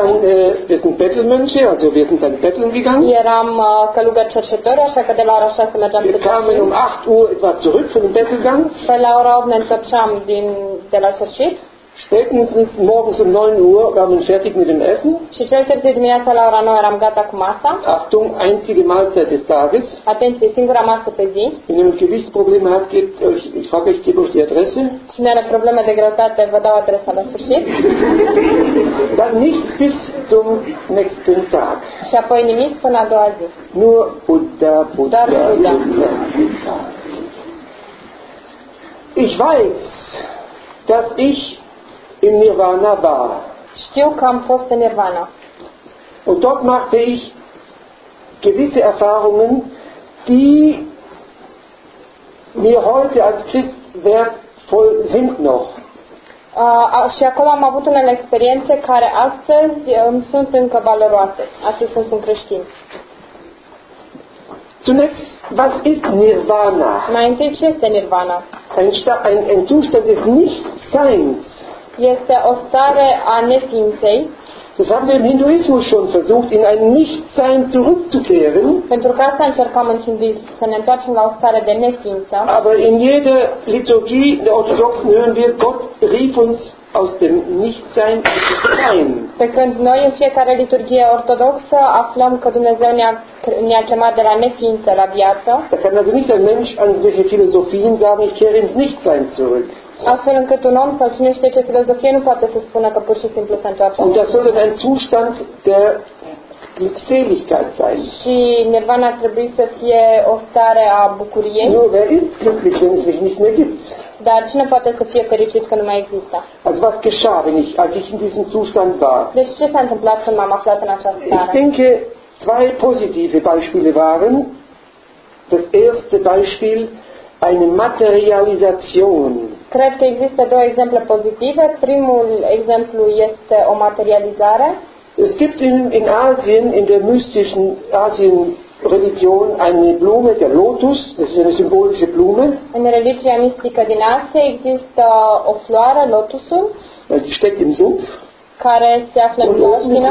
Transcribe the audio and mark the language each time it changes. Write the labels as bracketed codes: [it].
[de] Dann, wir sind Bettelmönche, also wir sind dann betteln gegangen. [ro] Eram călugări cerșetori, așa că de la ora 6 mergeam pe cerșit. [de] Wir kamen um 8 Uhr etwa zurück von dem Bettelgang. [ro] Pe la ora 8 ne întorceam de la cerșit. [de] Spätestens morgens um 9 Uhr waren wir fertig mit dem Essen. [ro] Și cel târziu dimineața la ora 9 eram gata cu masa. [de] Achtung, einzige Mahlzeit des Tages. [ro] Atenție, singura masă pe zi. [de] Wenn ihr ein Gewichtsproblem habt, ich frage euch, gebe euch die Adresse. [ro] Cine are probleme de greutate, vă dau adresa la sfârșit. Dar [de] nicht bis zum nächsten Tag. [ro] Și apoi nimic până a doua zi. [de] Nur Buddha, Buddha, Buddha. Buddha. Ich weiß, dass ich in Nirvana war. [ro] Știu că am fost în Nirvana. [de] Und dort machte ich gewisse Erfahrungen, die mir heute als Christ wertvoll sind noch. [ro] Și acolo am avut unele experiențe care astăzi îmi sunt încă valoroase, astăzi când sunt creștin. [de] Zunächst, was ist Nirvana? [ro] Mai întâi, ce este Nirvana? [de] Ein Zustand des Nichtseins. [ro] Este o stare a neființei. [de] Das haben wir im Hinduismus schon versucht, in ein Nichtsein zurückzukehren. [ro] Pentru că asta încercăm în Hinduism, să ne întoarcem la o stare de neființă. [de] Aber in jeder Liturgie der Orthodoxen hören wir, Gott rief uns aus dem Nichtsein ins Sein. [ro] Pe când noi în fiecare liturgie ortodoxă aflăm că Dumnezeu ne-a chemat de la neființă la viață. [de] Da kann also nicht ein Mensch an solche Philosophien sagen, ich kehre ins Nichtsein zurück. [ro] Astfel încât un om sau cine știe ce filozofie nu poate să spună că pur și simplu se întoarce. [de] Und das sollte ein Zustand der Glückseligkeit sein. [ro] Și Nirvana ar trebui să fie o stare a bucuriei. [de] Nur wer ist glücklich, wenn es mich nicht mehr gibt? [ro] Dar cine poate să fie fericit că nu mai există? [de] Also was geschah, als ich in diesem Zustand war? [ro] Deci ce s-a întâmplat când m-am aflat în această stare? [de] Ich denke, zwei positive Beispiele waren. Das erste Beispiel, eine Materialisation. [ro] Cred că există două exemple pozitive. Primul exemplu este o materializare. [de] Es gibt in Asien, in der mystischen Asien-Religion, eine Blume, der Lotus. Das ist eine symbolische Blume. [ro] În religia mistică din Asia există o floare, lotusul. [de] Die steckt im Sumpf. [ro] Care se află în plajmina.